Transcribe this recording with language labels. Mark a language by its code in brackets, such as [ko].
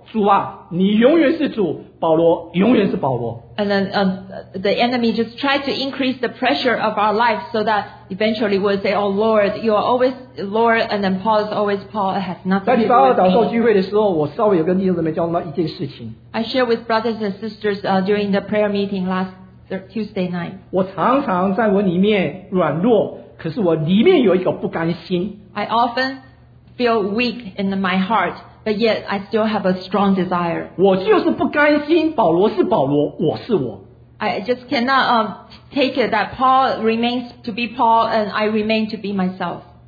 [zh] 让世界上所有在我们生命生活里面的压力一直压着我们，让我们总是有一个借口：主啊，你永远是主，保罗永远是保罗。 [en] And then the enemy just tried to increase the pressure of our life so that eventually we'll say, Oh Lord, you are always Lord, and then Paul is always Paul. It has nothing to do with me. I shared with brothers and sisters during the prayer meeting last Tuesday night. [zh] 我常常在我里面软弱，可是我里面有一个不甘心。 [en] I often feel weak in my heart. But yet, I still have a strong desire. [zh] 我就是不甘心，保罗是保罗，我是我。 [en] I just cannot take it that Paul remains to be Paul and I remain to be myself.